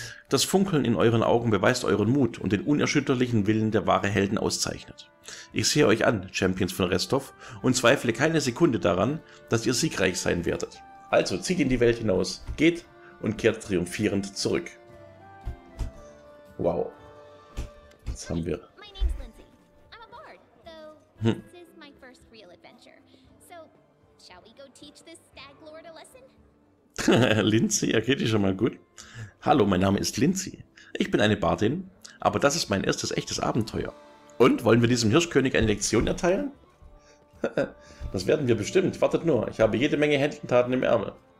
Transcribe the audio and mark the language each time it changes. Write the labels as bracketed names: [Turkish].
[German] Das Funkeln in euren Augen beweist euren Mut und den unerschütterlichen Willen, der wahre Helden auszeichnet. Ich sehe euch an, Champions von Restoff, und zweifle keine Sekunde daran, dass ihr siegreich sein werdet. Also zieht in die Welt hinaus, geht und kehrt triumphierend zurück. Wow. Jetzt haben wir. [English] My name's Lindsay. I'm a bard, though this is my first real adventure. So, shall we go teach this stag lord a lesson? [German] Lindsay, er geht dich schon mal gut. Hallo, mein Name ist Lindsay. Ich bin eine Bardin, aber das ist mein erstes echtes Abenteuer. Und wollen wir diesem Hirschkönig eine Lektion erteilen? Das werden wir bestimmt. Wartet nur, ich habe jede Menge Heldentaten im Ärmel.